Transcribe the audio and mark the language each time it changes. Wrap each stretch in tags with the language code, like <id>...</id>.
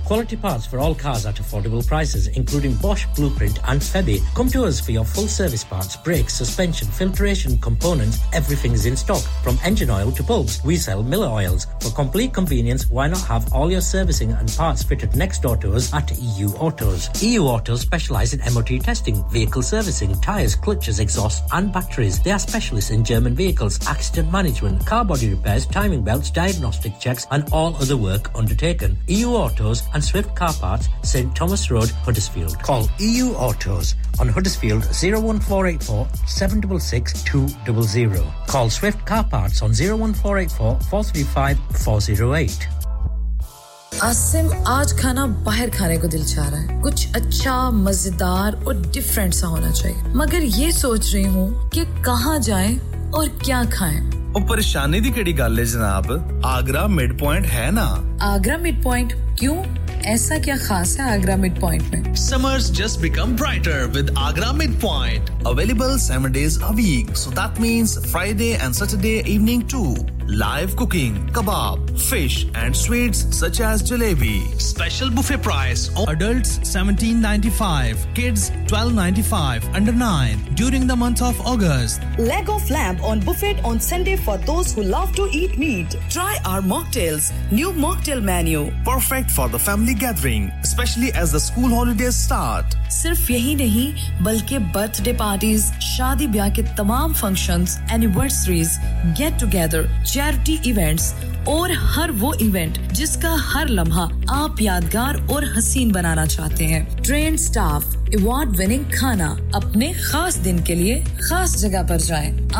<en>Quality parts for all cars at affordable prices including Bosch Blueprint and Febi. Come to us for your full service parts, brakes, suspension, filtration components, everything is in stock from engine oil to bulbs. We sell Miller oils for complete convenience. Why not have all your servicing and parts fitted next door to us at EU Autos. EU Autos specialize in MOT testing, vehicle servicing, tires, clutches, exhausts and batteries. They are specialists in German vehicles, accident management, car body repairs, timing belts, diagnostic checks and all other work undertaken. EU Autos and Swift Car Parts, St Thomas Road, Huddersfield. Call EU Autos on Huddersfield 01484 766200. Call Swift Car Parts on 01484 435 408.</en> <hi>Asim, आज खाना बाहर खाने को दिल चाह रहा है, कुछ अच्छा मजेदार और डिफरेंट सा होना चाहिए, मगर ये सोच रही हूँ कि कहाँ जाएं और क्या खाएं।</hi> <pa>ओ परेशानी दी केड़ी गल है जनाब, आगरा मिड पॉइंट है ना।</pa> <hi>आगरा मिड पॉइंट क्यों, ऐसा क्या खास है आगरा मिड पॉइंट में?</hi> <en>Summers just become brighter with Agra Mid Point, available 7 days a week, so that means Friday and Saturday evening too. Live cooking, kebab, fish and sweets such as jalebi. Special buffet price, adults $17.95, kids $12.95, under 9, during the month of August. Leg of lamb on buffet on Sunday for those who love to eat meat. Try our mocktails, new mocktail menu. Perfect for the family gathering, especially as the school holidays start.</en> <hi>Sirf yahi nahi, balki birthday parties, shadi biyah ke tamam functions, anniversaries, get together, charity events और हर वो event जिसका हर लम्हा आप यादगार और हसीन बनाना चाहते हैं। ट्रेन स्टाफ, अवार्ड विनिंग खाना, अपने खास दिन के लिए खास जगह पर जाएं।</hi>